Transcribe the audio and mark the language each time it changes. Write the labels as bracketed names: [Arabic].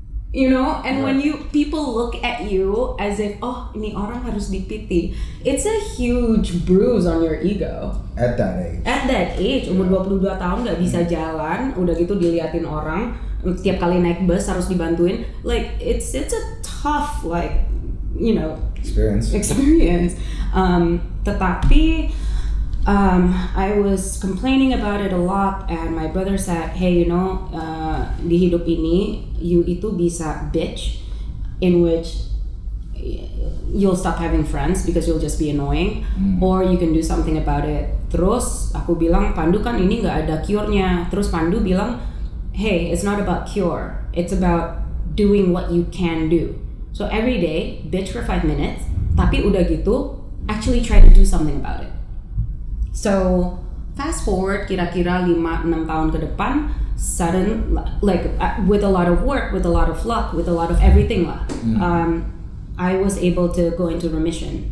[English] You know, and when people look at you as if, oh, [Indonesian] ini orang harus dipity, [English] it's a huge bruise on your ego. At that age, [Indonesian] umur 22 tahun gak bisa jalan, udah gitu diliatin orang, tiap kali naik bus harus dibantuin. [English] Like, it's a tough, like, you know, experience. [Indonesian] Tetapi, [English] I was complaining about it a lot, and my brother said, hey, you know, [Indonesian] di hidup ini, [English] you [Indonesian] itu bisa [English] bitch, in which you'll stop having friends because you'll just be annoying, or you can do something about it. [Indonesian] Terus aku bilang, Pandu kan ini gak ada cure-nya. [English] Terus Pandu bilang, hey, it's not about cure, it's about doing what you can do. So every day, bitch for 5 minutes, [Indonesian] tapi udah gitu, [English] actually try to do something about it. So fast forward [Indonesian] kira-kira 5-6 tahun ke depan, [English] sudden, like with a lot of work, with a lot of luck, with a lot of everything lah, I was able to go into remission.